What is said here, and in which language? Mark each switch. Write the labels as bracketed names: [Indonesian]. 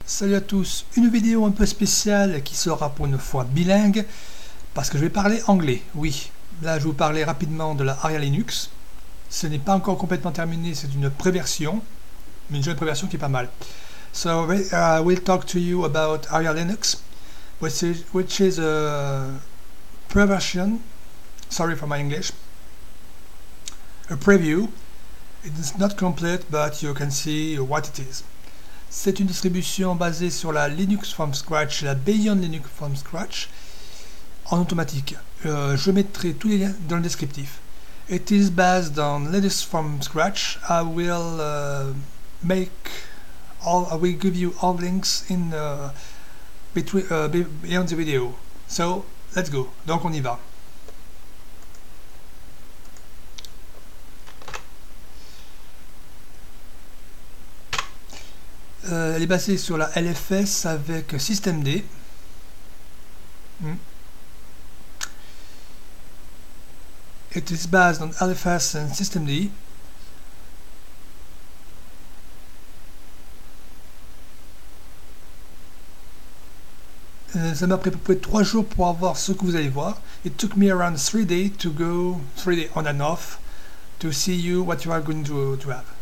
[French] Salut à tous, une vidéo un peu spéciale qui sera pour une fois bilingue parce que je vais parler anglais, oui. Là je vous parlais rapidement de la Aryalinux. Ce n'est pas encore complètement terminé, c'est une préversion, mais une jolie préversion qui est pas mal. [English] So I will talk to you about Aryalinux, which is a preversion, sorry for my English, a preview. It's not complete, but you can see what it is. [French] C'est une distribution basée sur la Linux from scratch, la Beyond Linux from scratch, en automatique. Je mettrai tous les liens dans le descriptif. [English] It is based on Linux from scratch. I will give you all links in beyond the video. So let's go. [French] Donc on y va. Elle est basée sur la LFS avec systemd. [English] It is based on LFS and systemd. [French] Ça m'a pris à peu près 3 jours pour avoir ce que vous allez voir. [English] It took me around 3 days to go 3 days on and off to see you what you are going to have.